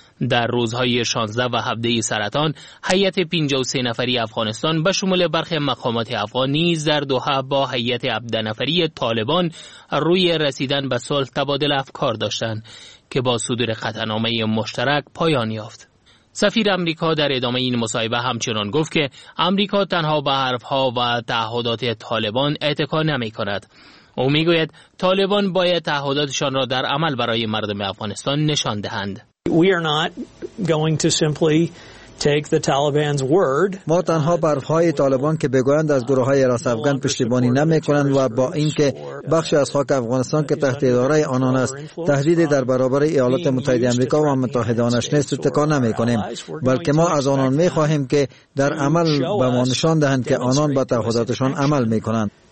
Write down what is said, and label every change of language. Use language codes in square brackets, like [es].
[fa] در روزهای 16 و 17 سرطان، هیئت 53 نفری افغانستان به شمول برخی مقامات افغان نیز در دوحه با هیئت 17 نفری طالبان روی رسیدن به صلح تبادل افکار داشتند که با صدور قطعنامه مشترک پایان یافت. سفیر آمریکا در ادامه این مصاحبه همچنان گفت که آمریکا تنها به حرف‌ها و تعهدات طالبان اتکا نمی‌کند. او می‌گوید طالبان باید تعهداتشان را در عمل برای مردم افغانستان نشان دهند. [en] We are not going to simply take the Taliban's word. [fa] ما تنها بر پای طالبان که بگویند از گروه های راس افغان پشتیبانی نمی کنند و با اینکه بخشی از خاک افغانستان که تحت اداره آنان است تهدید در برابر ایالات متحده آمریکا و متحدانش نیست تکان نمی کنیم، بلکه ما از آنان می خواهیم که در عمل به ما نشان دهند که آنان به تعهداتشان عمل می کنند.